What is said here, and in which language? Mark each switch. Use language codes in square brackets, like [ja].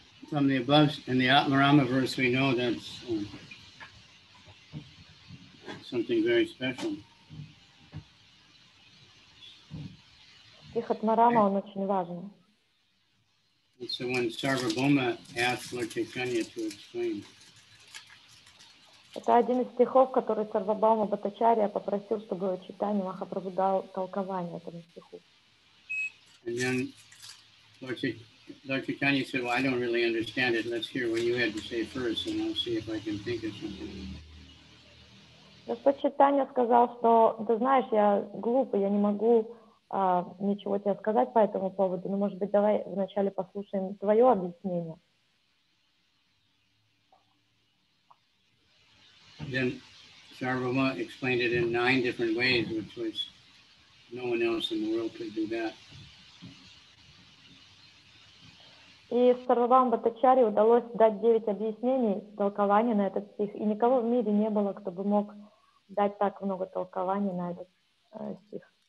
[en] From the above, in the Atmarama verse, we know that's something very special. [ru] Стих Атмарама, он очень важен. [en] It's the one Sarvabhauma asked Lord Chaitanya to explain. [ru] Это один из стихов, который Сарвабхаума Бхаттачарья попросил, чтобы Чайтанья Махапрабху дал толкование этому стиху. [en] And then Lord Chaitanya said, well, I don't really understand it. Let's hear what you had to say first, and I'll see if I can think of something. [ru] Господь Чайтанья сказал, что, ты знаешь, я глупый, я не могу ничего тебе сказать по этому поводу, но, может быть, давай вначале послушаем твое объяснение. [en] Then Sarvabhauma explained it in 9 different ways, which was no one else in the world could do that. [ru] И Сарвабхаума Бхаттачарье удалось дать 9 объяснений, толкований на этот стих. И никого в мире не было, кто бы мог дать так много толкований на этот стих.